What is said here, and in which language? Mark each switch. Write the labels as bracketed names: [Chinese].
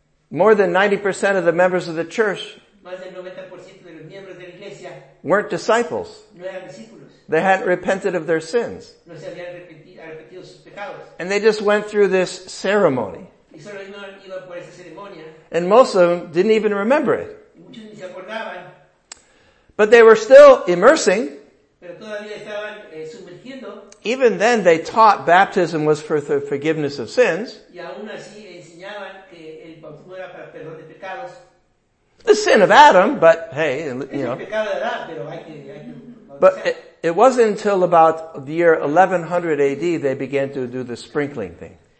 [English] more than 90% of the members of the church, [Spanish] más del 90% de los miembros de la iglesia, [English] weren't disciples. [Spanish] No eran discípulos. [English] They hadn't repented of their sins. [Spanish] No se habían arrepentido sus pecados. [English] And they just went through this ceremony. [Spanish] Y solo iban por esa ceremonia. [English] And most of them didn't even remember it. [Spanish] Y muchos ni se acordaban. [English] But they were still immersing. [Spanish] Pero todavía estaban, sumergiendo. [English] Even then they taught baptism was for the forgiveness of sins. [Spanish] Y aún así enseñaban que el bautismo era para perdón de pecados. [English] The sin of Adam, but hey, you know. But it wasn't until about the year 1100 AD they began to do the sprinkling thing.